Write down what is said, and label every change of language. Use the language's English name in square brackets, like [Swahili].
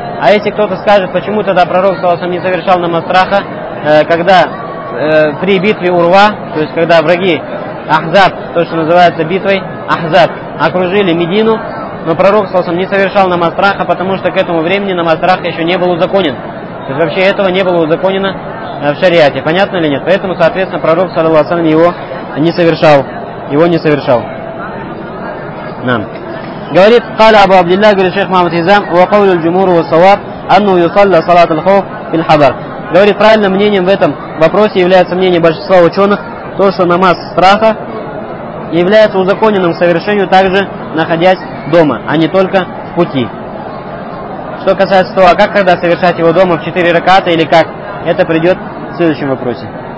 [Russian] А если кто-то скажет, почему тогда пророк саллаллаху алейхи ва саллям не совершал намаз страха, когда при битве Урва, то есть когда враги Ахзаб, то что называется битвой Ахзаб, окружили Медину, но пророк саллаллаху алейхи ва саллям не совершал намаз страха, потому что к этому времени намаз страха еще не был узаконен. То есть вообще этого не было узаконено в шариате. Понятно или нет? Поэтому, соответственно, пророк саллаллаху алейхи ва саллям его не совершал. Нам. Говорит [Arabic] قال أبو عبد الله, [Russian] говорит шейх [Arabic] Мухаммад Хизам, وقول الجمهور والصواب أنه يصلى صلاة الخوف في الحضر. [Russian] Говорит, правильным мнением в этом вопросе является мнение большинства ученых, то, что намаз страха является узаконенным совершению также находясь дома, а не только в пути. Что касается того, а как когда совершать его дома, в 4 раката или как, это придет в следующем вопросе.